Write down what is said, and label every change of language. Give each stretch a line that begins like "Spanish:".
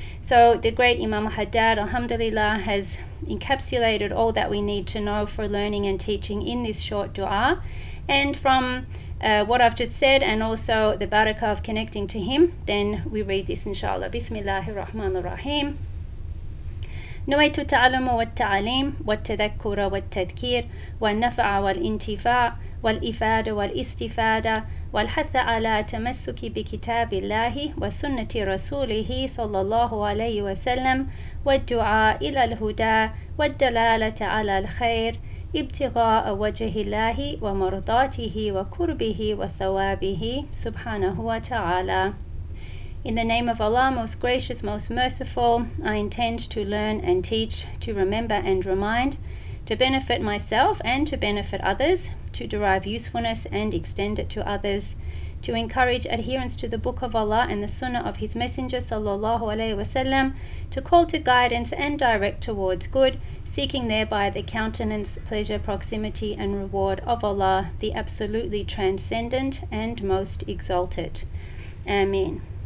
English: So the great Imam Haddad, alhamdulillah, has encapsulated all that we need to know for learning and teaching in this short dua. And from what I've just said, and also the barakah of connecting to Him, then we read this, inshallah. Bismillahir Rahmanir Rahim.
Arabic: نويت التعلم والتعليم والتذكر والتذكير والنفع والانتفاع والإفادة والاستفادة والحث على تمسك بكتاب الله وسنة رسوله صلى الله عليه وسلم والدعاء إلى الهدى والدلالة على الخير ابتغاء وجه الله ومرضاته وكربه وثوابه سبحانه وتعالى.
English: In the name of Allah, most gracious, most merciful, I intend to learn and teach, to remember and remind, to benefit myself and to benefit others, to derive usefulness and extend it to others, to encourage adherence to the Book of Allah and the Sunnah of His Messenger sallallahu alaihi wasallam, to call to guidance and direct towards good, seeking thereby the countenance, pleasure, proximity and reward of Allah, the absolutely transcendent and most exalted. Amen.